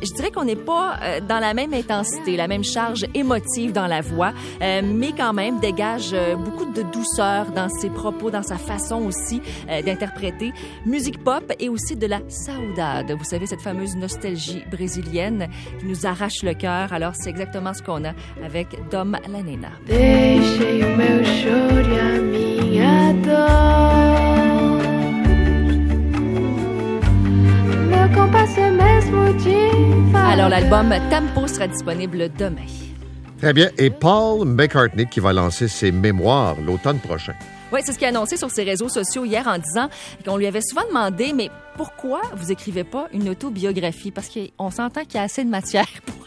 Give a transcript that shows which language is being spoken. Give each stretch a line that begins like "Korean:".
French: Je dirais qu'on n'est pas dans la même intensité, la même charge émotive dans la voix, mais quand même dégage beaucoup de douceur dans ses propos, dans sa façon aussi d'interpréter musique pop et aussi de la saudade. Vous savez, cette fameuse nostalgie brésilienne qui nous arrache le cœur. Alors, c'est exactement ce qu'on a avec Dom La Nena.
Portuguese: Deixei o meu choro e a minha dor. Meu compasso é mesmo de fardeur.
French: Alors, l'album Tempo sera disponible demain. Très bien. Et Paul McCartney qui va lancer ses mémoires l'automne prochain. Oui, c'est ce qu'il a annoncé sur ses réseaux sociaux hier en disant qu'on lui avait souvent demandé « Mais pourquoi vous écrivez pas une autobiographie? » Parce qu'on s'entend qu'il y a assez de matière pour